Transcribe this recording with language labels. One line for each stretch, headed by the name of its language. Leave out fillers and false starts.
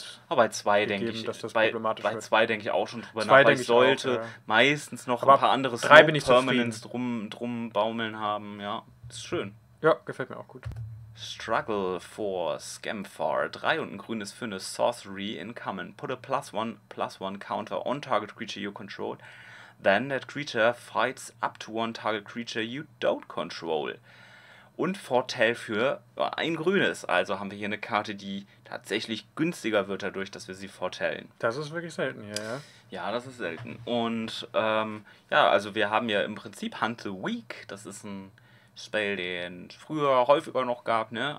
German: aber bei 2 denke ich, dass das problematisch wird. Bei 2 denke ich auch schon drüber nach, weil ich sollte auch meistens noch aber ein paar andere Snow-Permanents drum baumeln haben, ja. Ist schön. Ja, gefällt mir auch gut. Struggle for Scamfar. 3 und ein grünes für eine Sorcery in Common.
English: Put a +1/+1 counter on target creature you control. Then that creature fights up to one target creature you don't control.
German: Und Foretell für ein grünes. Also haben wir hier eine Karte, die tatsächlich günstiger wird dadurch, dass wir sie foretellen. Das ist wirklich selten hier, ja. Ja, das ist selten. Und also wir haben ja im Prinzip Hunt the Weak. Das ist ein Spell, den es früher häufiger noch gab, ne?